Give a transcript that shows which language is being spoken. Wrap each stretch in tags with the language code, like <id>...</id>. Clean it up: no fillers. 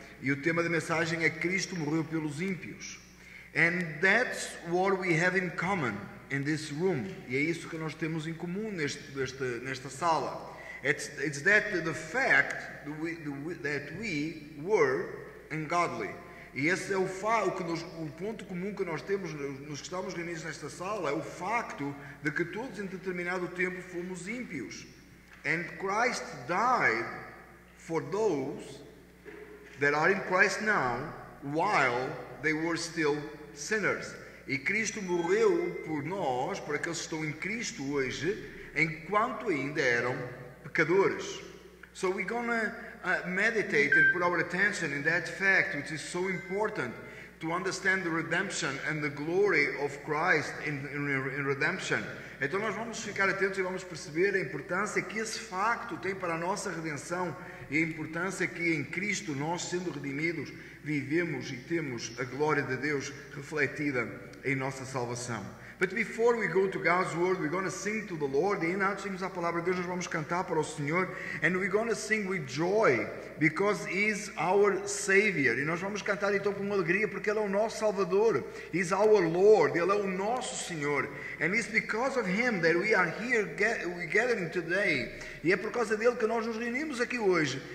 <pt>E o tema da mensagem é Cristo morreu pelos ímpios.</pt> <en>And that's what we have in common in this room.</en> <pt>E é isso que nós temos em comum nesta sala.</pt> <en>It's that the fact that we were ungodly.</en> <pt>E esse é o ponto comum que nós temos, nos que estamos reunidos nesta sala, é o facto de que todos em determinado tempo fomos ímpios.</pt> <en>And Christ died for those that are in Christ now, while they were still sinners.</en> <pt>E Cristo morreu por nós, por aqueles que estão em Cristo hoje, enquanto ainda eram pecadores.</pt> <en>So we're gonna meditate and put our attention in that fact, which is so important to understand the redemption and the glory of Christ in redemption.</en> <pt>Então nós vamos ficar atentos e vamos perceber a importância que esse facto tem para a nossa redenção e a importância que em Cristo nós, sendo redimidos, vivemos e temos a glória de Deus refletida em nossa salvação.</pt> <en>But before we go to God's word, we're going to sing to the Lord.</en> <pt>E ainda antes de irmos à palavra de Deus, nós vamos cantar para o Senhor.</pt> <en>And we're going to sing with joy, because He's our Savior.</en> <pt>E nós vamos cantar então com alegria, porque Ele é o nosso Salvador.</pt> <en>He's our Lord.</en> <pt>Ele é o nosso Senhor.</pt> <en>And it's because of Him that we are here, we're gathering today.</en> <pt>E é por causa dEle que nós nos reunimos aqui hoje.</pt>